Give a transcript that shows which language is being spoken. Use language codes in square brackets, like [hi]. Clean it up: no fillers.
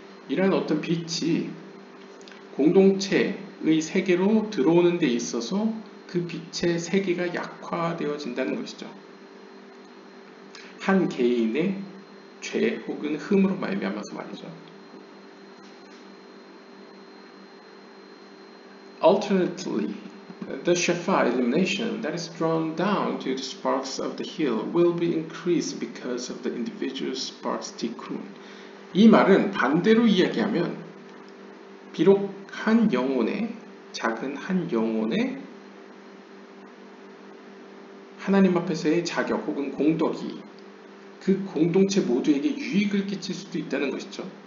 [ko] 이런 어떤 빛이 공동체의 세계로 들어오는 데 있어서 그 빛의 세계가 약화되어진다는 것이죠. 한 개인의 죄 혹은 흠으로 말미암아서 말이죠. [en] Alternately, the shefa illumination that is drawn down to the sparks of the heel will be increased because of the individual sparks tikkun. [ko] 이 말은 반대로 이야기하면 비록 한 영혼의 작은 한 영혼의 하나님 앞에서의 자격 혹은 공덕이 그 공동체 모두에게 유익을 끼칠 수도 있다는 것이죠.